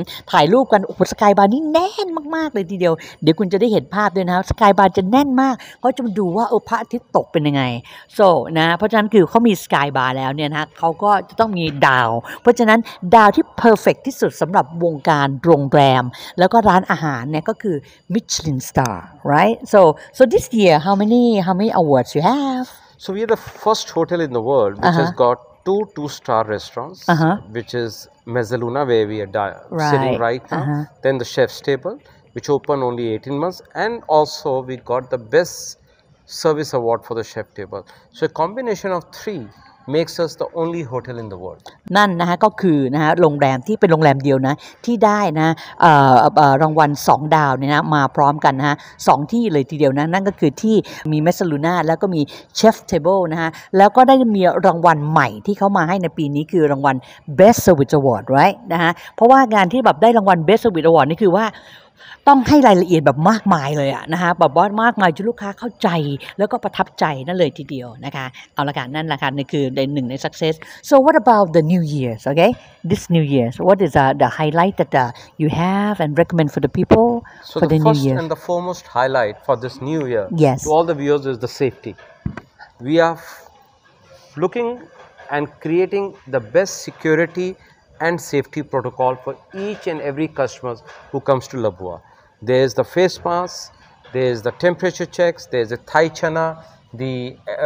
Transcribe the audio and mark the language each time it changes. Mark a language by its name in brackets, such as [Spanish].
[Thai] ถ่ายรูปกันโอ้โห sky bar นี่แน่นมากๆเลยทีเดียวเดี๋ยวคุณจะได้เห็นภาพด้วยสกายบาร์จะแน่นมากเขาจะมาดูว่าเออพระอาทิตย์ตกเป็นยังไงโซ่นะเพราะฉะนั้นคือเขามีสกายบาร์แล้วเนี่ยนะเขาก็จะต้องมีดาวเพราะฉะนั้นดาวที่เพอร์เฟคที่สุดสำหรับวงการโรงแรมแล้วก็ร้านอาหารเนี่ยก็คือมิชลินสตาร์ [English] right so this year how many awards you have so we are the first hotel in the world which has got 2 2-star restaurants which is Mezzaluna where we are sitting right now then the chef's tableWhich opened only 18 months, and also we got the best service award for the chef table. So a combination of 3 makes us the only hotel in the world. [Thai] นั่นนะฮะก็คือนะฮะโรงแรมที่เป็นโรงแรมเดียวนะที่ได้นะรางวัล2ดาวเนี่ยนะมาพร้อมกันนะฮะ2ที่เลยทีเดียวนะนั่นก็คือที่มีเมสซาลูน่าแล้วก็มีเชฟเทเบิลนะฮะแล้วก็ได้มีรางวัลใหม่ที่เขามาให้ในปีนี้คือรางวัล Best Service Award right นะฮะเพราะว่างานที่แบบได้รางวัล Best Service Award นี่คือว่า ต้องให้รายละเอียดแบบมากมายเลยอะนะคะแบบว่ามากมายจนลูกค้าเข้าใจแล้วก็ประทับใจนั่นเลยทีเดียวนะคะเอาละกันนั่นแหละค่ะนี่คือในหนึ่งใน success [English] so what about the new years okay this new years what is the highlight that you have and recommend for the people so for the new year and the foremost highlight for this new year yes. to all the viewers is the safety we are looking and creating the best securityAnd safety protocol for each and every customer who comes to Le Bois. There's the face mask, there's the temperature checks, there's the Thai Chana, the